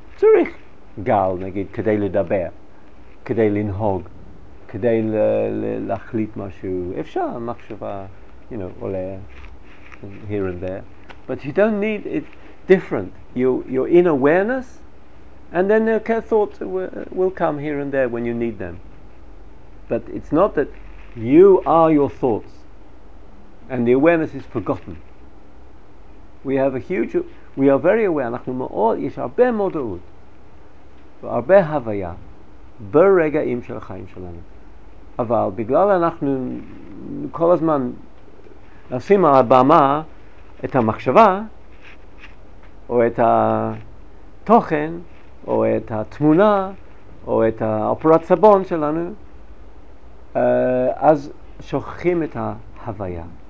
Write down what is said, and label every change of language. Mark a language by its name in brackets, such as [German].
[Hebrew] צריך גל, נגיד, כדי לדבר, כדי לנהוג, כדי להחליט משהו. אפשר, המחשבה, [English] you know, [Hebrew] עולה [English] here and there, but you don't need it different. You're in awareness, and then the thoughts will come here and there when you need them. But it's not that you are your thoughts, and the awareness is forgotten. We are very aware. [Hebrew] אנחנו מאוד, יש הרבה מודעות, הרבה הוויה, ברגעים של החיים שלנו. אבל בגלל אנחנו כל הזמן נשים על הבמה את המחשבה, או את התוכן, או את התמונה, או את האופרת סבון שלנו, אז שוכחים את ההוויה.